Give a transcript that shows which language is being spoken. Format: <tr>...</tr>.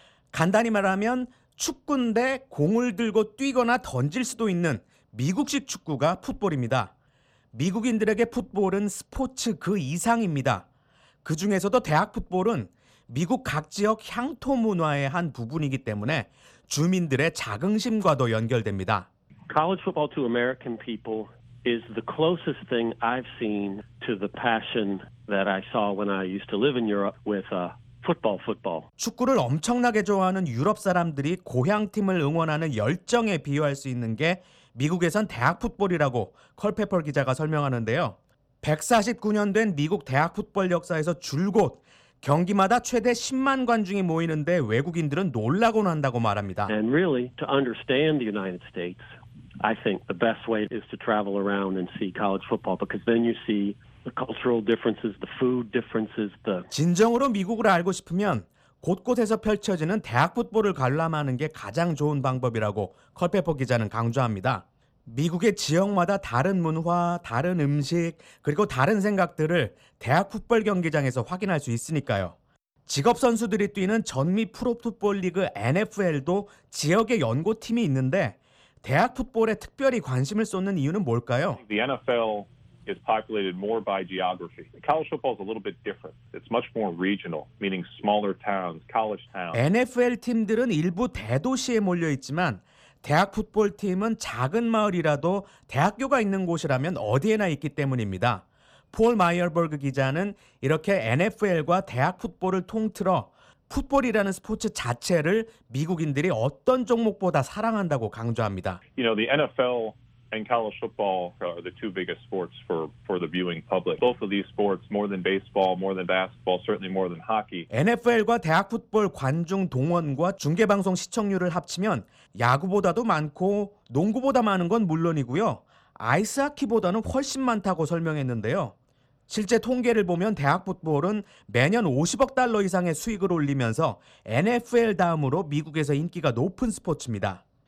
<ko>간단히 말하면 축구인데 공을 들고 뛰거나 던질 수도 있는 미국식 축구가 풋볼입니다. 미국인들에게 풋볼은 스포츠 그 이상입니다. 그 중에서도 대학 풋볼은 미국 각 지역 향토 문화의 한 부분이기 때문에 주민들의 자긍심과도 연결됩니다.</ko> <en>College football to American people is the closest thing I've seen to the passion that I saw when I used to live in Europe with a football.</en> <ko>축구를 엄청나게 좋아하는 유럽 사람들이 고향 팀을 응원하는 열정에 비유할 수 있는 게 미국에선 대학 풋볼이라고 컬페퍼 기자가 설명하는데요. 149년 된 미국 대학 풋볼 역사에서 줄곧 경기마다 최대 10만 관중이 모이는데 외국인들은 놀라곤 한다고 말합니다.</ko> <en>And really, to understand the United States, I think the best way is to travel around and see college football because then you see the cultural differences, the food differences, the</en> <ko>진정으로 미국을 알고 싶으면 곳곳에서 펼쳐지는 대학 풋볼을 관람하는 게 가장 좋은 방법이라고 컬페퍼 기자는 강조합니다. 미국의 지역마다 다른 문화, 다른 음식, 그리고 다른 생각들을 대학 풋볼 경기장에서 확인할 수 있으니까요. 직업 선수들이 뛰는 전미 프로 풋볼 리그 NFL도 지역의 연고팀이 있는데 대학 풋볼에 특별히 관심을 쏟는 이유는 뭘까요?</ko> <en>The NFL is populated more by geography. College football is a little bit different. It's much more regional, meaning smaller towns, college towns.</en> <ko>NFL 팀들은 일부 대도시에 몰려 있지만 대학 풋볼팀은 작은 마을이라도 대학교가 있는 곳이라면 어디에나 있기 때문입니다. 폴 마이어버그 기자는 이렇게 NFL과 대학 풋볼을 통틀어 풋볼이라는 스포츠 자체를 미국인들이 어떤 종목보다 사랑한다고 강조합니다.</ko> <en>You know, the NFL and college football are the two biggest sports for the viewing public. Both of these sports, more than baseball, more than basketball, certainly more than hockey.</en> <ko>NFL과 대학 풋볼 관중 동원과 중계방송 시청률을 합치면 야구보다도 많고 농구보다 많은 건 물론이고요. 아이스하키보다는 훨씬 많다고 설명했는데요. 실제 통계를 보면 대학 풋볼은 매년 50억 달러 이상의 수익을 올리면서 NFL 다음으로 미국에서 인기가 높은 스포츠입니다.</ko>